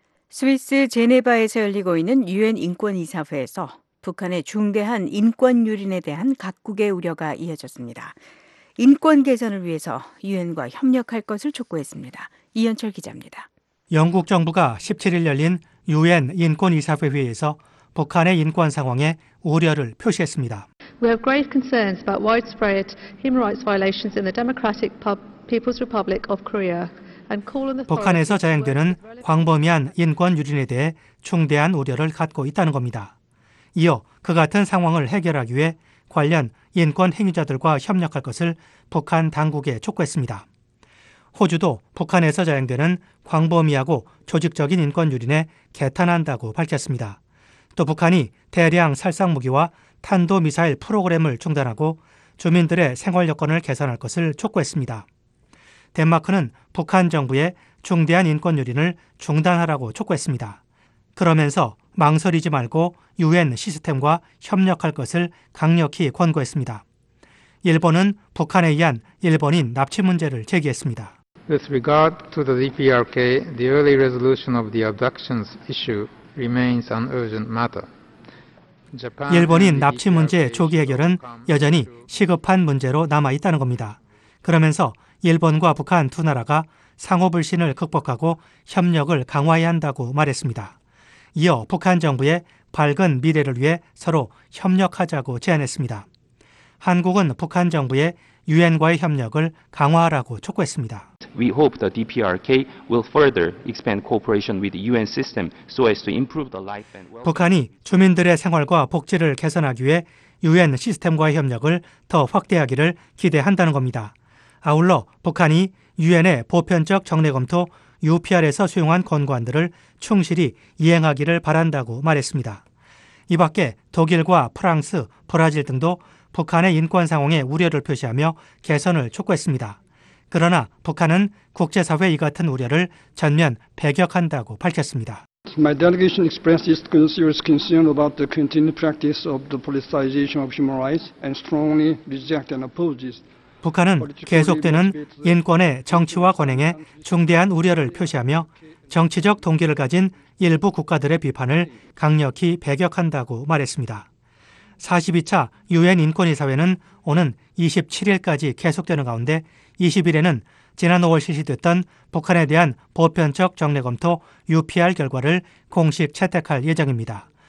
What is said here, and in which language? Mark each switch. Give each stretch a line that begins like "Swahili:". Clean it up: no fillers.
Korean: 스위스 제네바에서 열리고 있는 유엔 인권이사회에서 북한의 중대한 인권 유린에 대한 각국의 우려가 이어졌습니다. 인권 개선을 위해서 유엔과 협력할 것을 촉구했습니다. 이현철 기자입니다. 영국 정부가 17일 열린 유엔 인권이사회 회의에서 북한의 인권 상황에 우려를 표시했습니다.
English: We have grave concerns about widespread human rights violations in the Democratic People's Republic of Korea.
Korean: 북한에서 자행되는 광범위한 인권 유린에 대해 중대한 우려를 갖고 있다는 겁니다. 이어 그 같은 상황을 해결하기 위해 관련 인권 행위자들과 협력할 것을 북한 당국에 촉구했습니다. 호주도 북한에서 자행되는 광범위하고 조직적인 인권 유린에 개탄한다고 밝혔습니다. 또 북한이 대량 살상무기와 탄도미사일 프로그램을 중단하고 주민들의 생활 여건을 개선할 것을 촉구했습니다. 덴마크는 북한 정부의 중대한 인권 유린을 중단하라고 촉구했습니다. 그러면서 망설이지 말고 유엔 시스템과 협력할 것을 강력히 권고했습니다. 일본은 북한에 의한 일본인 납치 문제를 제기했습니다.
English: With regard to the DPRK, the early resolution of the abductions issue remains an urgent matter.
Korean: 일본인 납치 문제의 조기 해결은 여전히 시급한 문제로 남아 있다는 겁니다. 그러면서 일본과 북한 두 나라가 상호 불신을 극복하고 협력을 강화해야 한다고 말했습니다. 이어 북한 정부의 밝은 미래를 위해 서로 협력하자고 제안했습니다. 한국은 북한 정부의 유엔과의 협력을 강화하라고 촉구했습니다.
English: We hope the DPRK will further expand cooperation with the UN system so as to improve the life and well-being.
Korean: 북한이 주민들의 생활과 복지를 개선하기 위해 유엔 시스템과의 협력을 더 확대하기를 기대한다는 겁니다. 아울러 북한이 유엔의 보편적 정례검토 UPR에서 수용한 권고안들을 충실히 이행하기를 바란다고 말했습니다. 이 밖에 독일과 프랑스, 브라질 등도 북한의 인권 상황에 우려를 표시하며 개선을 촉구했습니다. 그러나 북한은 국제사회 이 같은 우려를 전면 배격한다고 밝혔습니다.
English: My delegation expresses serious concern about the continued practice of the politicization of human rights and strongly rejects and opposes.
Korean: 북한은 계속되는 인권의 정치화 관행에 중대한 우려를 표시하며 정치적 동기를 가진 일부 국가들의 비판을 강력히 배격한다고 말했습니다. 42차 유엔 인권이사회는 오는 27일까지 계속되는 가운데 20일에는 지난 5월 실시됐던 북한에 대한 보편적 정례검토 UPR 결과를 공식 채택할 예정입니다.